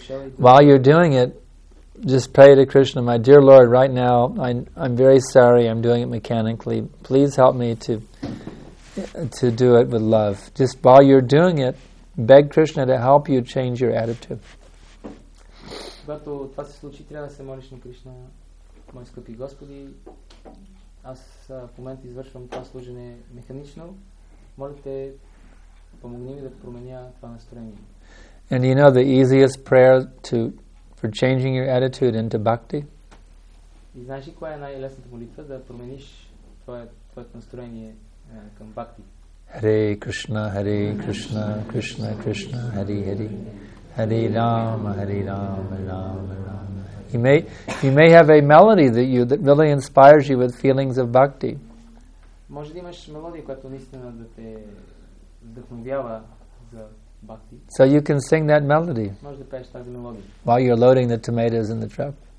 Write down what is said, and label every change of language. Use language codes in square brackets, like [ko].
[en] Shall I do while you're doing it, just pray to Krishna, my dear Lord, right now I'm very sorry, I'm doing it mechanically. Please help me to do it with love. Just while you're doing it, beg Krishna to help you change your attitude. [bg] Когато това се случи, трябва да се молиш на Кришна, мой скъпи Господи, аз в момента извършвам това служение механично. Моля те, помогни ми да променя това настроение. [en] And you know the easiest prayer to for changing your attitude into bhakti? [bg] И знаеш ли коя е най-лесната молитва да промениш твоето настроение към бхакти? [sa] Hare Krishna, Krishna Krishna, Hare Hare, Hare Rama, Hare Rama, Rama Rama. [en] You may have a melody that really inspires you with feelings of bhakti. [bg] Може да имаш мелодия, която наистина да те вдъхновява за bhakti. [en] So you can sing that melody while you're loading the tomatoes in the truck.